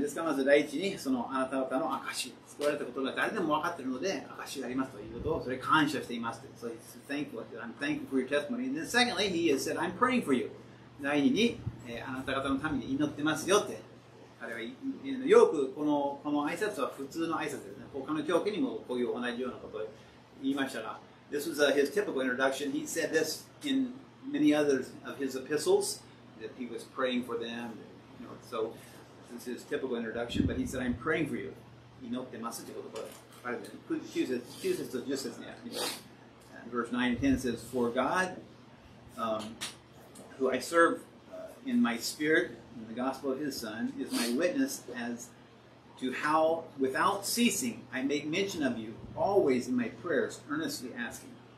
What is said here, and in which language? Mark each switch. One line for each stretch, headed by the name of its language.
Japanese: ですから、まず第一に、そのあなた方の証、救われたことが誰でも分かっているので、証がありますということを、それ感謝しています。
English: So he said, I'm thankful for your testimony. And then secondly, he has said, I'm praying for you.
Japanese: 第二に、あなた方のために祈ってますよって。よくこの挨拶は普通の挨拶ですね。他の教会にもこういう同じようなことを言いましたが、
English: This was his typical introduction. He said this in many others of his epistles that he was praying for them. You know, so this is his typical introduction. But he said, "I'm praying for you."
Japanese: 祈ってますということで、9節と10節ですね。
English: Verse 9 and 10 says, "For God, who I serve in my spirit." And the gospel of his son is my witness as to how, without ceasing, I make mention of you always in my prayers, earnestly asking.